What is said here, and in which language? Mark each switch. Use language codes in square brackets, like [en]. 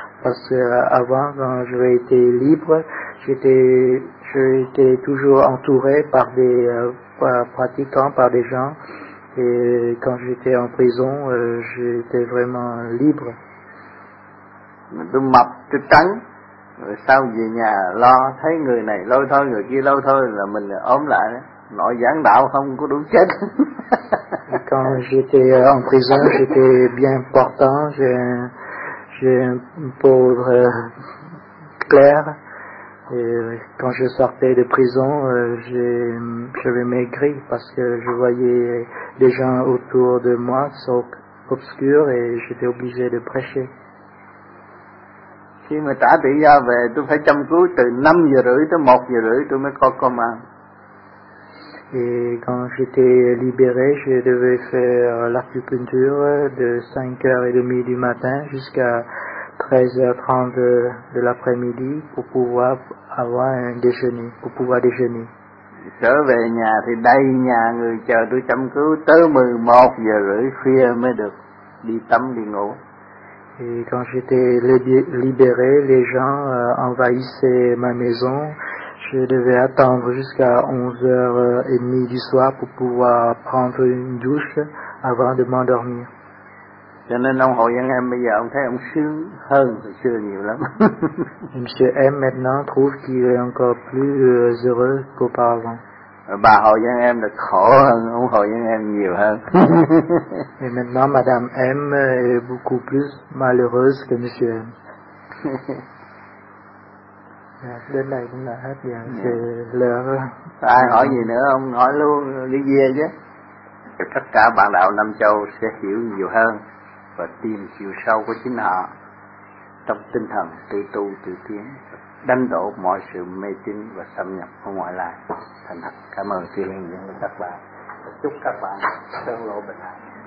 [fr] Parce que avant, quand j'étais libre, j'étais toujours entouré par des pratiquants, par des gens. Et quand j'étais en prison, j'étais vraiment libre. [vi] Tôi mập, tôi trắng. Rồi sau về nhà lo, thấy người này lôi thôi, người kia lôi thôi, là mình ốm lại. Nội giảng đạo không có đủ chết. [fr] Quand j'étais en prison, j'étais bien portant, j'ai un pauvre clair. Et quand je sortais de prison, j'avais maigri parce que je voyais des gens autour de moi sont obscurs et j'étais obligé de prêcher. [vi] Khi mà trả tự do về, tôi phải chăm cứu từ 5 giờ rưỡi tới 1 giờ rưỡi tôi mới có công ăn. [fr] Et quand j'étais libéré, je devais faire l'acupuncture de 5h30 du matin jusqu'à 13h30 de l'après-midi pour pouvoir avoir un déjeuner, pour pouvoir déjeuner. [vi] Trở về nhà thì đây nhà người chờ tôi chăm cứu tới 11 giờ rưỡi khuya mới được đi tắm đi ngủ. [fr] Et quand j'étais libéré, les gens envahissaient ma maison. Je devais attendre jusqu'à 11h30 du soir pour pouvoir prendre une douche avant de m'endormir. [vi] Cho nên ông Hội Văn Em bây giờ ông thấy ông sướng hơn hồi xưa nhiều lắm. [fr] Monsieur M maintenant trouve qu'il est encore plus heureux qu'auparavant. [vi] Bà Hội Văn Em là khổ hơn ông Hội Văn Em nhiều hơn. [fr] Et maintenant Madame M est beaucoup plus malheureuse que Monsieur M. [vi] Đến đây cũng là hết giờ, sẽ lỡ. Ai hỏi gì nữa ông hỏi luôn lý do chứ. Tất cả bạn đạo Nam Châu sẽ hiểu nhiều hơn và tìm chiều sâu của chính họ trong tinh thần tự tu tự tiến, đánh đổ mọi sự mê tín và xâm nhập của ngoại lai. Thành thật cảm ơn Thiên Liên và các bạn. Chúc các bạn sớm lộ bình an.